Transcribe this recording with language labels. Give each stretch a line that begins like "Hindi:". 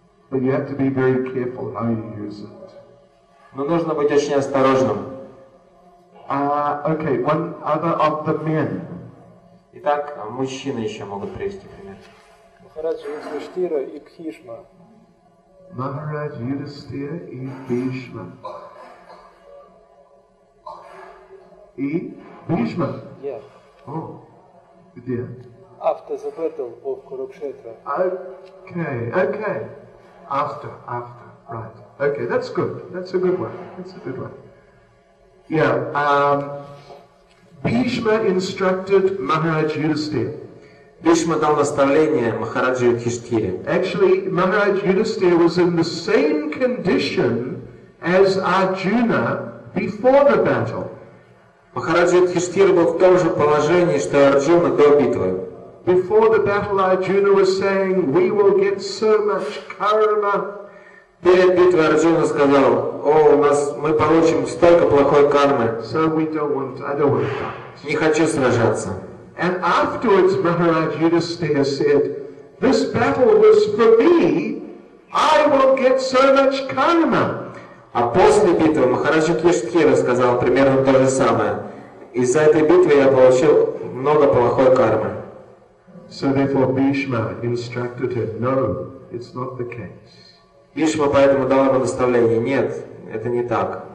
English: But you have to be very careful how you use it.
Russian: Но нужно быть очень осторожным.
English: Okay, one other of the men.
Russian: Итак, мужчины еще могут привести пример. Махарадж Юдхиштхира и Бхишма. Махарадж Юдхиштхира и Бхишма. И Бхишма?
English: Yeah. Oh,
Russian: где?
English: After the battle of Kurukshetra. Okay, okay. After, right. Okay, that's good. That's a good one. Yeah, Bhishma instructed Maharaj Yudhisthira.
Russian: Bhishma дал наставление Махараджу Юдхиштхире.
English: Actually, Maharaj Yudhisthira was in the same condition as Arjuna before the battle.
Russian: Махараджа Юдхиштхира был в том же положении, что Арджуна до битвы.
English: Before the battle, Arjuna was saying, we will get so much karma.
Russian: Перед битвой Арджуна сказал, о, у нас, мы получим столько плохой кармы.
English: So we don't want, I don't want to fight.
Russian: Не хочу сражаться.
English: And afterwards, Махараджа Юдхиштхира said, this battle was for me, I will get so much karma.
Russian: А после битвы Махарадж Юдхиштхира сказал примерно то же самое. Из-за этой битвы я получил много плохой кармы.
English: So therefore Bhishma instructed him, no, it's not the case.
Russian: Бхишма поэтому дал ему наставление, нет, это не так.